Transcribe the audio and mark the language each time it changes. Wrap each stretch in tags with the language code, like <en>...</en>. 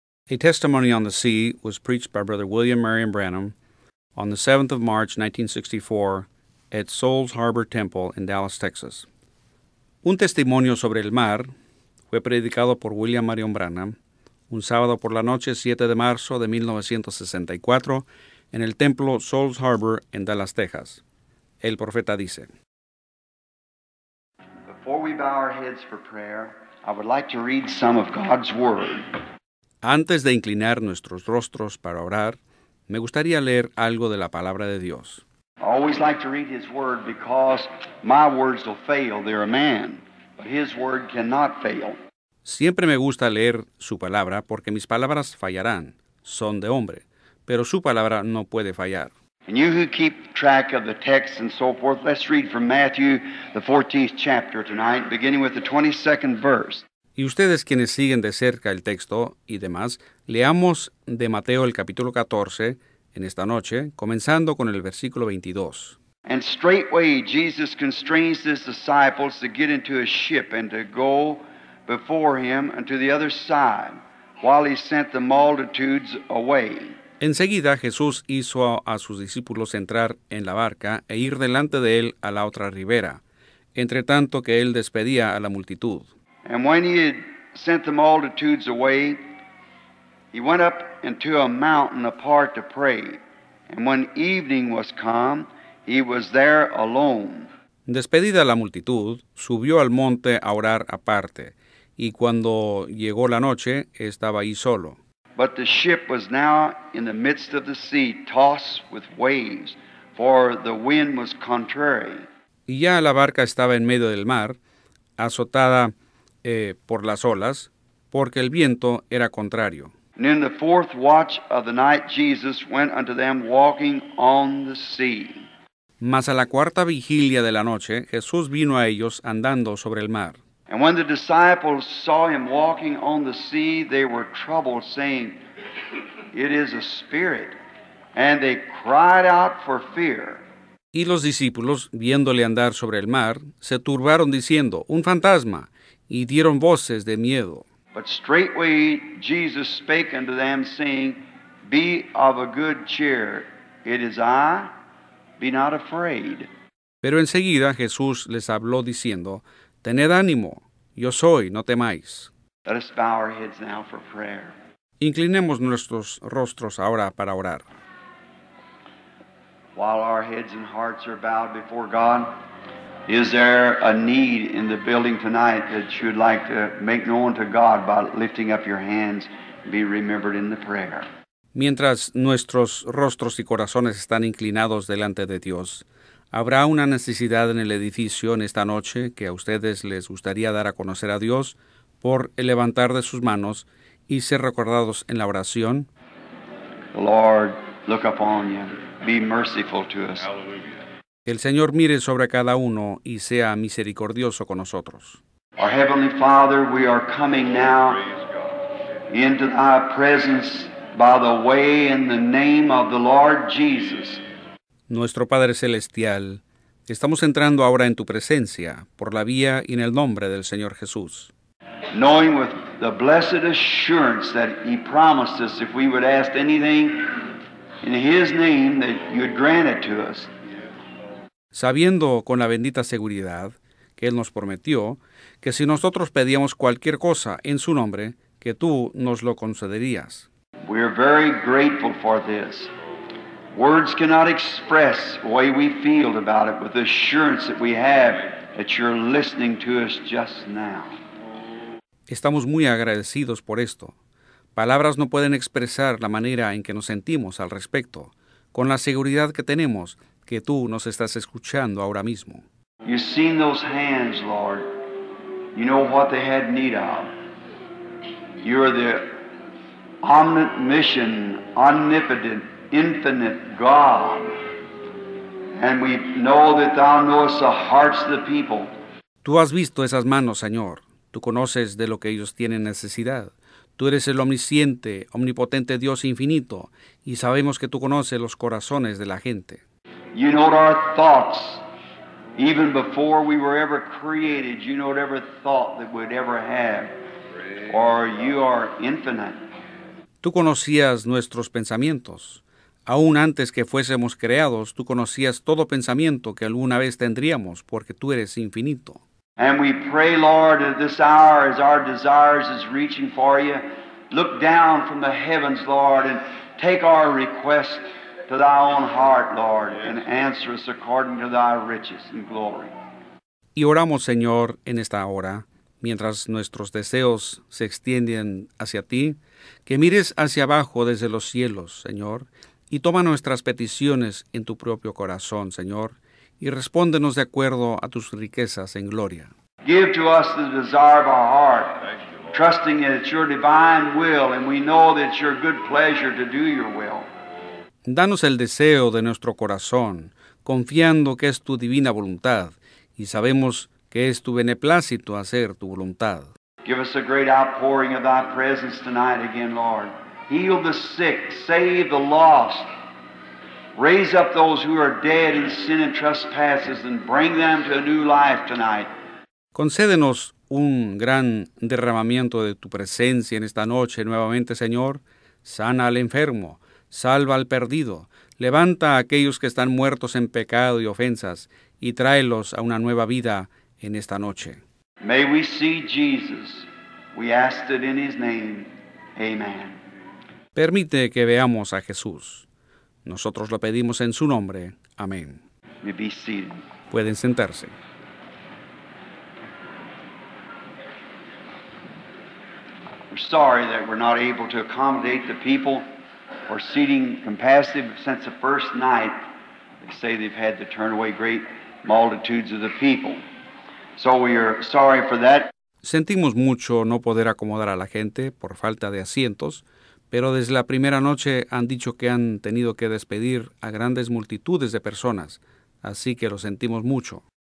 <en>A testimony on the sea was preached by Brother William Marion Branham on the 7th of March, 1964, at Souls Harbor Temple in Dallas, Texas.</en> <es>Un testimonio sobre el mar fue predicado por William Marion Branham un sábado por la noche, 7 de marzo de 1964, en el templo Souls Harbor en Dallas, Texas. El profeta dice:</es> <en>Before we bow our heads for prayer, I would like to read some of God's word.</en> <es>Antes de inclinar nuestros rostros para orar, me gustaría leer algo de la palabra de Dios.</es> <en>I always like to read his word because my words will fail. They're a man, but his word cannot fail.</en> <es>Siempre me gusta leer su palabra porque mis palabras fallarán. Son de hombre, pero su palabra no puede fallar.</es> <en>And you who keep track of the text and so forth, let's read from Matthew, the 14th chapter tonight, beginning with the 22nd verse.</en> <es>Y ustedes quienes siguen de cerca el texto y demás, leamos de Mateo el capítulo 14 en esta noche, comenzando con el versículo 22.</es> <en>And straightway Jesus constrains his disciples to get into a ship and to go before him unto the other side, while he sent the multitudes away.</en> <es>Enseguida Jesús hizo a sus discípulos entrar en la barca e ir delante de él a la otra ribera, entre tanto que él despedía a la multitud.</es> <en>And when he had sent the multitudes away, he went up into a mountain apart to pray. And when evening was come, he was there alone.</en> <es>Despedida la multitud, subió al monte a orar aparte. Y cuando llegó la noche, estaba ahí solo.</es> <en>But the ship was now in the midst of the sea, tossed with waves, for the wind was contrary.</en> <es>Y ya la barca estaba en medio del mar, azotada por las olas, porque el viento era contrario.</es> <en>And in the fourth watch of the night, Jesus went unto them walking on the sea.</en> <es>Mas a la cuarta vigilia de la noche, Jesús vino a ellos andando sobre el mar.</es> <en>And when the disciples saw him walking on the sea, they were troubled, saying, It is a spirit. And they cried out for fear.</en> <es>Y los discípulos, viéndole andar sobre el mar, se turbaron diciendo, Un fantasma. Y dieron voces de miedo.</es> <en>But straightway Jesus spake unto them, saying, Be of a good cheer, it is I, be not afraid.</en> <es>Pero enseguida Jesús les habló diciendo, Tened ánimo, yo soy, no temáis.</es> <en>Let us bow our heads now for prayer.</en> <es>Inclinemos nuestros rostros ahora para orar.</es> <en>While our heads and hearts are bowed before God, Is there a need in the building tonight that you'd like to make known to God by lifting up your hands and be remembered in the prayer?</en> <es>Mientras nuestros rostros y corazones están inclinados delante de Dios, ¿habrá una necesidad en el edificio en esta noche que a ustedes les gustaría dar a conocer a Dios por el levantar de sus manos y ser recordados en la oración?</es> <en>Lord, look upon you. Be merciful to us. Hallelujah.</en> <es>Que el Señor mire sobre cada uno y sea misericordioso con nosotros.</es> <en>Our Heavenly Father, we are coming now into thy presence by the way in the name of the Lord Jesus.</en> <es>Nuestro Padre Celestial, estamos entrando ahora en tu presencia por la vía y en el nombre del Señor Jesús.</es> <en>Knowing with the blessed assurance that he promised us if we would ask anything in his name that you would grant it to us.</en> <es>Sabiendo con la bendita seguridad que Él nos prometió, que si nosotros pedíamos cualquier cosa en su nombre, que tú nos lo concederías.</es> <en>We are very grateful for this. Words cannot express the way we feel about it with the assurance that we have that you're listening to us just now.</en> <es>Estamos muy agradecidos por esto. Palabras no pueden expresar la manera en que nos sentimos al respecto, con la seguridad que tenemos que tú nos estás escuchando ahora mismo.</es> <en>You've seen those hands, Lord. You know what they had need of. You're the omniscient, omnipotent, infinite God. And we know that thou knowest the hearts of the people.</en> <es>Tú has visto esas manos, Señor. Tú conoces de lo que ellos tienen necesidad. Tú eres el omnisciente, omnipotente Dios infinito. Y sabemos que tú conoces los corazones de la gente.</es> <en>You know our thoughts, even before we were ever created, you know every thought that we'd ever have, or you are infinite.</en> <es>Tú conocías nuestros pensamientos. Aún antes que fuésemos creados, tú conocías todo pensamiento que alguna vez tendríamos, porque tú eres infinito.</es> <en>And we pray, Lord, at this hour, as our desires is reaching for you, look down from the heavens, Lord, and take our request to thy own heart, Lord, and answer us according to thy riches and glory.</en> <es>Y oramos, Señor, en esta hora, mientras nuestros deseos se extienden hacia ti, que mires hacia abajo desde los cielos, Señor, y toma nuestras peticiones en tu propio corazón, Señor, y respóndenos de acuerdo a tus riquezas en gloria.</es> <en>Give to us the desire of our heart, trusting that it's your divine will, and we know that it's your good pleasure to do your will.</en> <es>Danos el deseo de nuestro corazón, confiando que es tu divina voluntad, y sabemos que es tu beneplácito hacer tu voluntad.</es> <en>Give us a great outpouring of thy presence tonight again, Lord. Heal the sick, save the lost. Raise up those who are dead in sin and trespasses and bring them to a new life tonight.</en> <es>Concédenos un gran derramamiento de tu presencia en esta noche nuevamente, Señor. Sana al enfermo, salva al perdido, levanta a aquellos que están muertos en pecado y ofensas y tráelos a una nueva vida en esta noche.</es> <en>May we see Jesus. We ask it in his name. Amen.</en> <es>Permite que veamos a Jesús. Nosotros lo pedimos en su nombre. Amén. Pueden sentarse.</es> <en>We're sorry that we're not able to accommodate the people for seating capacity since the first night. They say they've had to turn away great multitudes of the people. So we are sorry for that.</en> <es>Sentimos mucho no poder acomodar a la gente por falta de asientos. Pero desde la primera noche han dicho que han tenido que despedir a grandes multitudes de personas, así que lo sentimos mucho.</es>